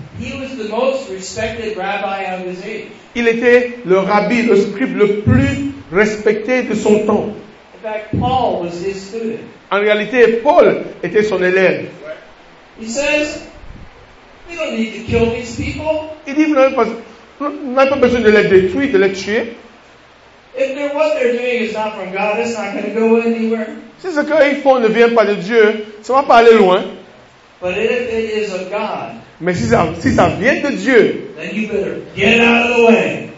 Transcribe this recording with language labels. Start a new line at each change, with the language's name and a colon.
English: He was the most respected rabbi of his age.
French: Il était le rabbi, le scribe le plus respecté de son temps.
English: In fact, Paul was his student.
French: En réalité, Paul était son élève.
English: He says, we don't need to kill these people.
French: Il dit, vous n'avez pas besoin de les détruire, de les tuer.
English: If they're, what they're doing is not from God, it's not going to go anywhere.
French: Si ce qu'ils font ne vient pas de Dieu, ça ne va pas aller loin.
English: But if it is of God,
French: mais si ça vient de Dieu,
English: then you better get out of the way.